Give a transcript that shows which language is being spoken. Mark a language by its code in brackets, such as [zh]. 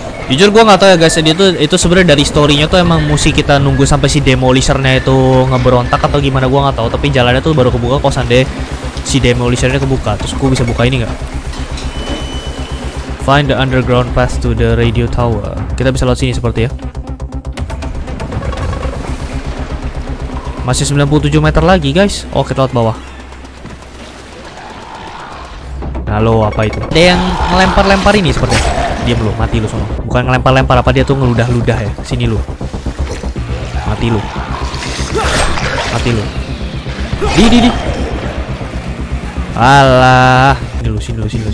[id] Jujur gua enggak tahu ya guys, itu sebenarnya dari story-nya tuh emang mesti kita nunggu sampai si demolisher-nya itu ngeberontak atau gimana, gua enggak tahu, tapi jalannya tuh baru kebuka kok sampai si demolisher-nya kebuka. Terus gua bisa buka ini enggak? [en] Find the underground path to the radio tower. [id] Kita bisa lewat sini seperti ya. Masih 97 meter lagi, guys. Oh, kita lewat bawah. Halo, apa itu? Ada yang ngelempar-lempar ini seperti ya. Diam lu, mati lu sono. Bukan ngelempar-lempar, apa dia tuh ngeludah-ludah ya. Sini lu. Mati lu. Mati lu. Di. Alah. Sini lu.